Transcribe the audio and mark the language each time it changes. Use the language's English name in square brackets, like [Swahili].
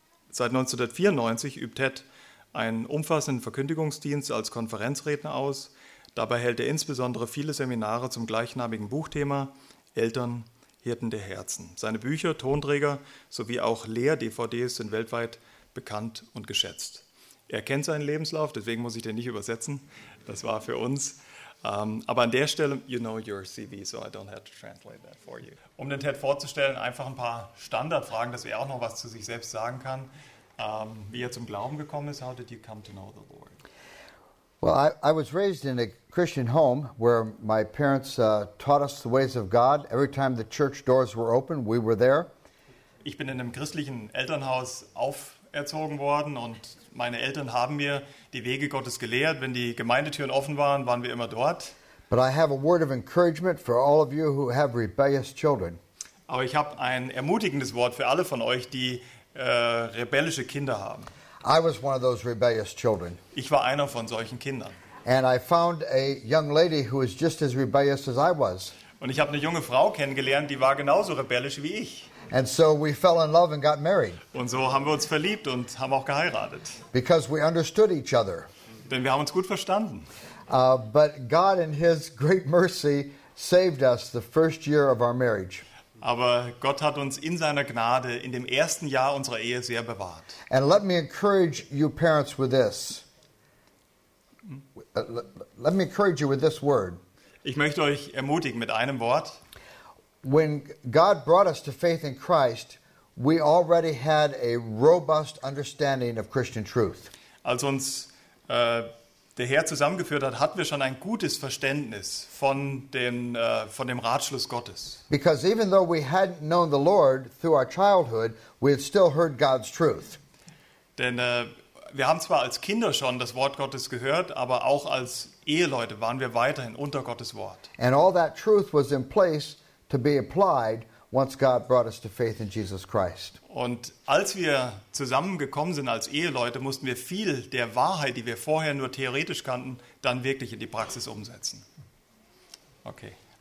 [German] Seit 1994 übt Ted einen umfassenden Verkündigungsdienst als Konferenzredner aus. Dabei hält er insbesondere viele Seminare zum gleichnamigen Buchthema Eltern, Hirten der Herzen. Seine Bücher, Tonträger sowie auch Lehr-DVDs sind weltweit bekannt und geschätzt. Er kennt seinen Lebenslauf, deswegen muss ich den nicht übersetzen. Das war für uns. Aber an der Stelle, [English] you know your CV, so I don't have to translate that for you. [German] Um den Ted vorzustellen, einfach ein paar Standardfragen, dass er auch noch was zu sich selbst sagen kann. Wie er zum Glauben gekommen ist, [English] how did you come to know the Lord? Well, I was raised in a Christian home where my parents taught us the ways of God. Every time the church doors were open, we were there. [German] Ich bin in einem christlichen Elternhaus auferzogen worden und meine Eltern haben mir die Wege Gottes gelehrt. Wenn die Gemeindetüren offen waren, waren wir immer dort. [English] But I have a word of encouragement for all of you who have rebellious children. [German] Aber ich habe ein ermutigendes Wort für alle von euch, die rebellische Kinder haben. [English] I was one of those rebellious children. [German] Ich war einer von solchen Kindern. [English] And I found a young lady who was just as rebellious as I was. [German] Und ich habe eine junge Frau kennengelernt, die war genauso rebellisch wie ich. [English] And so we fell in love and got married. [German] Und so haben wir uns verliebt und haben auch geheiratet. [English] Because we understood each other. [German] Denn wir haben uns gut verstanden. [English] But God in his great mercy saved us the first year of our marriage. [German] Aber Gott hat uns in seiner Gnade in dem ersten Jahr unserer Ehe sehr bewahrt. [English] And let me encourage you parents with this. Let me encourage you with this word. [German] Ich möchte euch ermutigen mit einem Wort. [English] When God brought us to faith in Christ, we already had a robust understanding of Christian truth. [German] Als uns der Herr zusammengeführt hat, hatten wir schon ein gutes Verständnis von dem Ratschluss Gottes. [English] Because even though we hadn't known the Lord through our childhood, we had still heard God's truth. [German] Denn wir haben zwar als Kinder schon das Wort Gottes gehört, aber auch als Eheleute waren wir weiterhin unter Gottes Wort. [English] And all that truth was in place to be applied once God brought us to faith in Jesus Christ. [German] Und als wir zusammengekommen sind als Eheleute, mussten wir viel der Wahrheit, die wir vorher nur theoretisch kannten, dann wirklich in die Praxis umsetzen. Okay.